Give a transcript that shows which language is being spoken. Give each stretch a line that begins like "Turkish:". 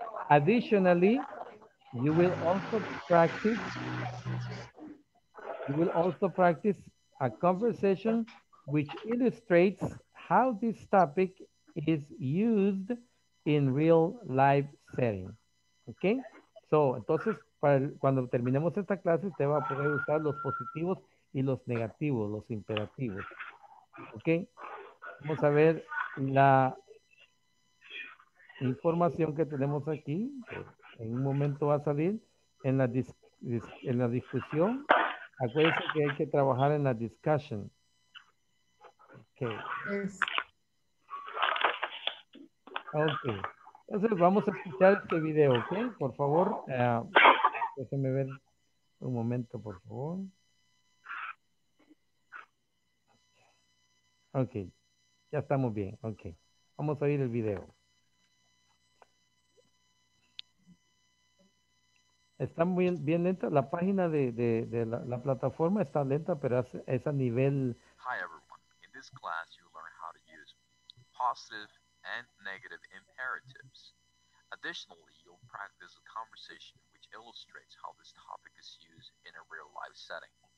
English: Additionally, you will also practice a conversation which illustrates how this topic is used in real life setting. Okay?
Spanish: So, entonces, cuando terminemos esta clase, usted va a poder usar los positivos y los negativos, los imperativos. Okay? Vamos a ver la información que tenemos aquí. En un momento va a salir en la discusión. Acuérdense que hay que trabajar en la discussion.
English: Okay. Yes.
Spanish: Okay. Entonces vamos a escuchar este video, ¿ok? Por favor, déjenme ver un momento, por favor. Ok, ya estamos bien, ok. Vamos a oír el video. Está muy bien lenta, la página de la plataforma está lenta, pero es a nivel...
English: Hi everyone, in this class you learn how to use positive and negative imperatives. Additionally, you'll practice a conversation which illustrates how this topic is used in a real life setting.